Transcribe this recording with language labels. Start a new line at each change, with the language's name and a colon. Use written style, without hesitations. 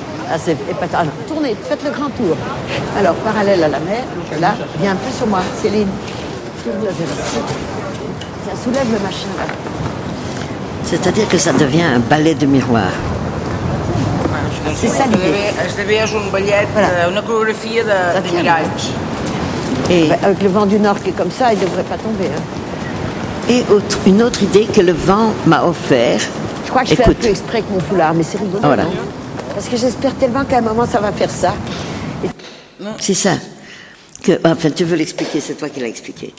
French: Ah, c'est épatant. Alors, tournez, faites le grand tour. Alors, parallèle à la mer, là, viens un peu sur moi, Céline. Ça soulève le machin, là. C'est-à-dire que ça devient un ballet de miroir. C'est ça l'idée.
Catalan: Esdevé és un ballet, una coreografia de miralls.
French: Et avec le vent du nord qui est comme ça, il ne devrait pas tomber. Hein. Et une autre idée que le vent m'a offert. Je crois que je fais un peu exprès que mon foulard, mais c'est rigolo. Voilà. Parce que j'espère tellement qu'à un moment, ça va faire ça. C'est ça. Que, enfin, tu veux l'expliquer, c'est toi qui l'as expliqué.